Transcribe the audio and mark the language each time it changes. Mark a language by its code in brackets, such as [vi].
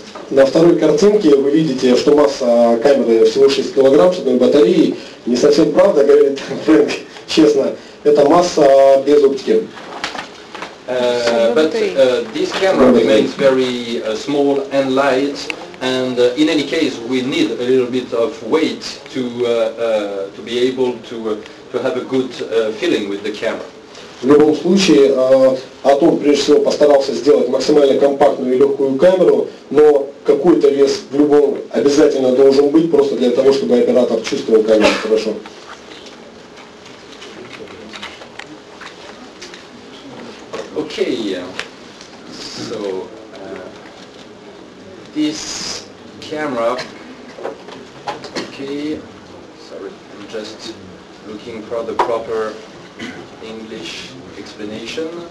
[ru] На второй картинке вы видите, что масса камеры всего 6 килограмм с одной батареей. Не совсем правда, говорит Фрэнк, честно. Это масса без оптики. [en] But this camera remains very small and light, and in any case, we need a little bit of weight to be able to have a good feeling with the camera. [ru] В любом случае, Atom прежде всего постарался сделать максимально компактную и легкую камеру, но какой-то вес в любом обязательно должен быть, просто для того, чтобы оператор чувствовал камеру хорошо. [en] Okay, so this camera, okay, sorry, I'm just looking for the proper English explanation.